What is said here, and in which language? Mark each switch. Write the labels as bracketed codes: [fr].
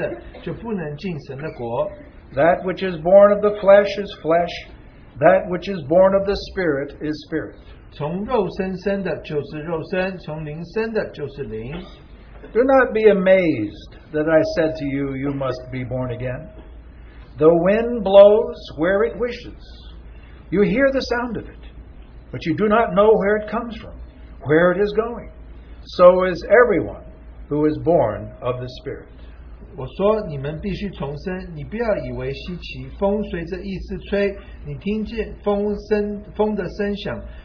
[zh] 耶稣说，我实实在在地告诉你，人若不是从水和圣灵生的，就不能进神的国。 [en] That which is born of the flesh is flesh, that which is born of the Spirit is spirit. [zh] 从肉身生的就是肉身，从灵生的就是灵。 [en] Do not be amazed that I said to you, you must be born again. The wind blows where it wishes. You hear the sound of it, but you do not know where it comes from, where it is going. So is everyone who is born of the Spirit. [zh] 我说你们必须重生，你不要以为稀奇，风随着意思吹，你听见风声，风的声响。